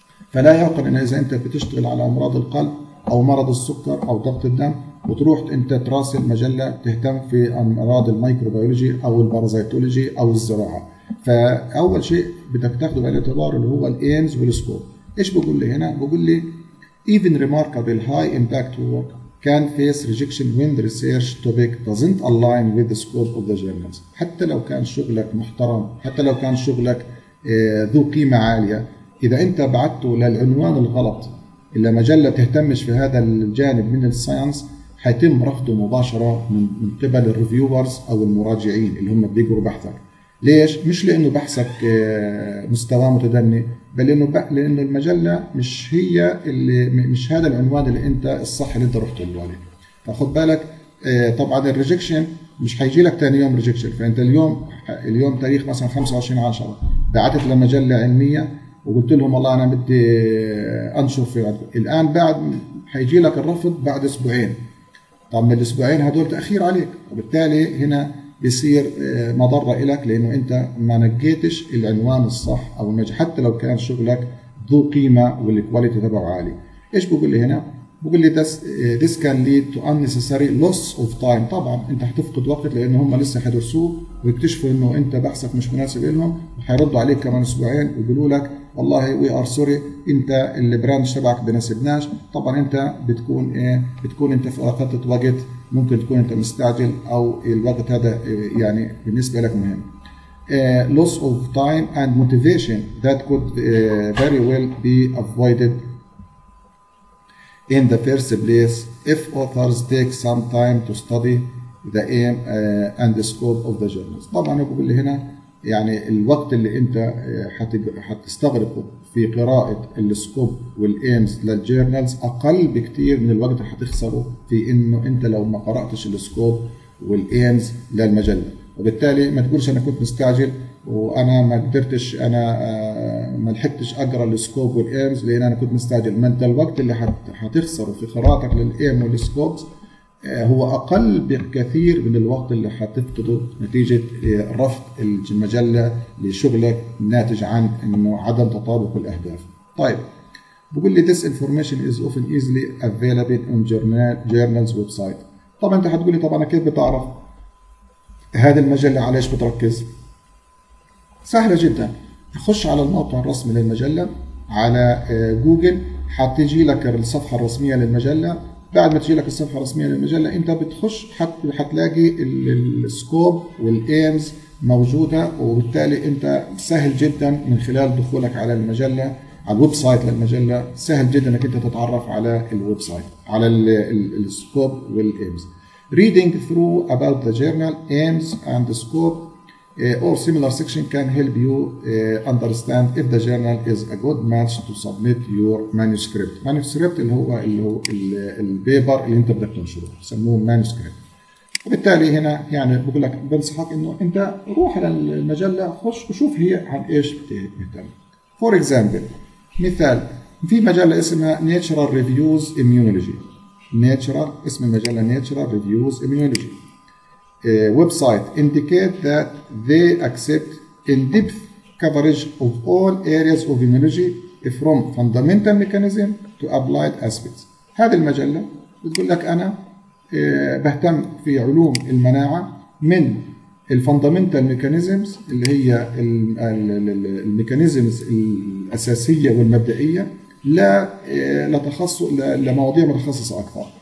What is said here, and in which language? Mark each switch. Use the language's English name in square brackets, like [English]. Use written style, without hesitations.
[Arabic] فلا يعقل ان اذا انت بتشتغل على امراض القلب او مرض السكر او ضغط الدم وتروح انت تراسل مجله تهتم في امراض الميكروبيولوجي او البارازيتولوجي او الزراعه. فاول شيء بدك تاخده بالاعتبار اللي هو الايمز والسكوب. ايش بقول لي هنا؟ بقول لي [English] Even remarkable high impact work can face rejection when the research topic doesn't align with the scope of the journals. [Arabic] حتى لو كان شغلك محترم، حتى لو كان شغلك ذو قيمة عالية، إذا أنت بعته للعنوان الغلط إلا مجلة تهتمش في هذا الجانب من الساينس، حيتم رفضه مباشرة من قبل الريفيورز أو المراجعين اللي هم بيقروا بحثك. ليش؟ مش لأنه بحثك مستوى متدني، بل لأنه المجلة مش هي اللي مش هذا العنوان اللي أنت الصح اللي أنت رحت له عليه. فخذ بالك طبعا الريجكشن مش هيجي لك تاني يوم ريجكشن. فأنت اليوم تاريخ مثلا 25/10 بعتت لمجلة علمية وقلت لهم والله أنا بدي أنشر في عدد. الآن بعد هيجي لك الرفض بعد أسبوعين، طبعا من الأسبوعين هدول تأخير عليك، وبالتالي هنا بيصير مضرة إليك لأنه أنت ما نقيتش العنوان الصح أو المجلة حتى لو كان شغلك ذو قيمة والكواليتي تبعه عالي. إيش بقول لي هنا؟ بقول لي [English] this can lead to unnecessary loss of time. [Arabic] طبعا أنت هتفقد وقت لأنه هم لسه حدرسوه ويكتشفوا أنه أنت بحثك مش مناسب لهم، وحيردوا عليك كمان أسبوعين ويقولوا لك والله [English] we are sorry [Arabic] أنت البراند تبعك بناسبناش. طبعا أنت بتكون إيه؟ بتكون أنت فقدت وقت، ممكن تكون انت مستعجل او الوقت هذا يعني بالنسبه لك مهم. [English] loss of time and motivation that could very well be avoided in the first place if authors take some time to study the aim and the scope of the journals. [Arabic] طبعا انا بقول هنا يعني الوقت اللي انت حتستغرقه في قراءه السكوب والايمز للجيرنلز اقل بكثير من الوقت اللي حتخسره في انه انت لو ما قراتش السكوب والايمز للمجله. وبالتالي ما تقولش انا كنت مستعجل وانا ما قدرتش، انا ما لحقتش اقرا السكوب والايمز لان انا كنت مستعجل. ما انت الوقت اللي حتخسره في قراءتك للايم والسكوب هو اقل بكثير من الوقت اللي حتفقده نتيجه رفض المجله لشغلك ناتج عن انه عدم تطابق الاهداف. طيب بيقول لي [English] this information is often easily available on journals website. [Arabic] طبعا انت هتقولي طبعا كيف بتعرف هذه المجلة علاش بتركز؟ سهلة جدا، تخش على الموقع الرسمي للمجلة على جوجل، حتيجي لك الصفحة الرسمية للمجلة. بعد ما تجي لك الصفحة الرسمية للمجلة انت بتخش حتلاقي السكوب والايمز موجودة، وبالتالي انت سهل جدا من خلال دخولك على المجلة، على الويب سايت للمجلة، سهل جدا انك انت تتعرف على الويب سايت، على السكوب والايمز. [English] Reading through about the journal aims and scope or similar section can help you understand if the journal is a good match to submit your manuscript. [Arabic] Manuscript اللي هو البيبر اللي انت بدك تنشره، سموه manuscript. وبالتالي هنا يعني بقول لك بنصحك انه انت روح للمجلة، خش وشوف هي عن ايش بتهتم. [English] For example، [Arabic] مثال، في مجلة اسمها Natural Reviews Immunology. [English] Natural، [Arabic] اسم المجلة [English] Natural Reviews Immunology. Website indicate that they accept in-depth coverage of all areas of immunology from fundamental mechanism to applied aspects. [Arabic] هذه المجلة بتقول لك أنا بهتم في علوم المناعة من الفاندامنتال ميكانيزمز اللي هي الميكانيزمز الاساسيه والمبدئيه، لتخصص لمواضيع متخصصه اكثر.